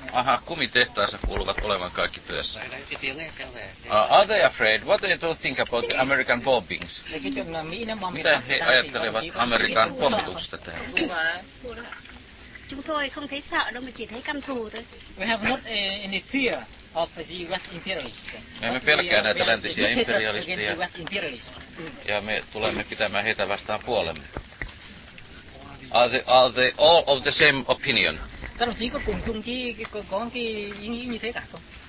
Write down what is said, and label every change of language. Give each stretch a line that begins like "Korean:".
Finnish: Aha, kumitehtaassa kuuluvat olevan kaikki työssä.
English: Are they afraid? What do you think about the American bombings?
Finnish: Mitä he ajattelevat Amerikan pommituksesta tähän?
Vietnamese: Chúng tôi không thấy sợ đâu mà chỉ thấy căm thù thôi.
English: We have not any fear of the U.S. imperialists.
Finnish: Me emme pelkää näitä läntisiä imperialisteja. Ja me tulemme pitämään heitä vastaan puolemme.
English: Are they all of the same opinion?
Vietnamese: Các đồng chí có cùng chung có cái ý nghĩ như thế cả không?